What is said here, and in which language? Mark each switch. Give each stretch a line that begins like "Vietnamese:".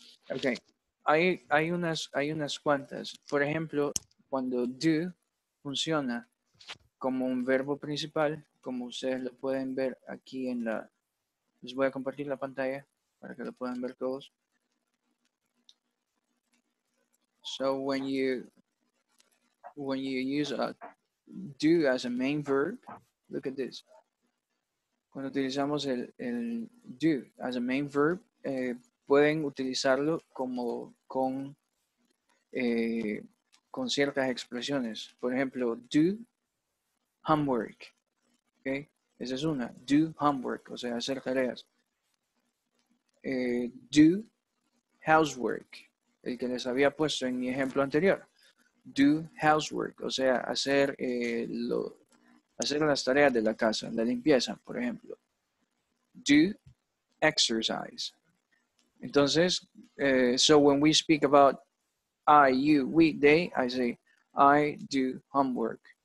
Spanish: Okay, hay unas cuantas. Por ejemplo, cuando do funciona como un verbo principal, como ustedes lo pueden ver aquí en la... Les voy a compartir la pantalla para que lo puedan ver todos.
English: So when you use a do as a main verb, look at this.
Spanish: Cuando utilizamos el do
English: as a main verb,
Spanish: pueden utilizarlo como con ciertas expresiones. Por ejemplo, do homework. Okay? Esa es una. Do homework, o sea, hacer tareas. Do housework, el que les había puesto en mi ejemplo anterior. Do housework, o sea, hacer las tareas de la casa, la limpieza, por ejemplo.
English: Do exercise. Entonces, so when we speak about I, you, we, they, I say, I do homework.